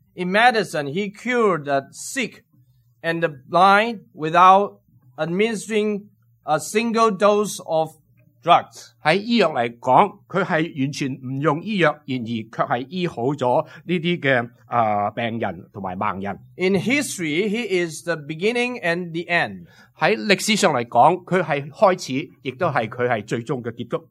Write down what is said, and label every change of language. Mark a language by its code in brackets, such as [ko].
[en] In medicine, he cured the sick and the blind without administering a single dose of drugs. [zh] 在医药来讲，他是完全不用医药，然而却是医好了这些的病人和盲人。 [en] In history, he is the beginning and the end. [zh] 在历史上来讲，他是开始，亦都是他是最终的结局。